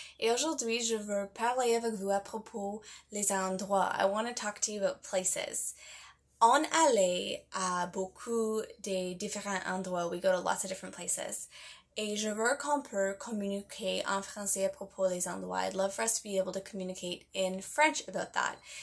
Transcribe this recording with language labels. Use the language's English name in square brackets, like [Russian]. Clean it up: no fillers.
[French] Et aujourd'hui, je veux parler avec vous à propos des endroits. [English] I want to talk to you about places. [French] On allait à beaucoup des différents endroits. [English] We go to lots of different places. [French] Et je veux qu'on peut communiquer en français à propos des endroits. [English] I'd love for us to be able to communicate in French about that.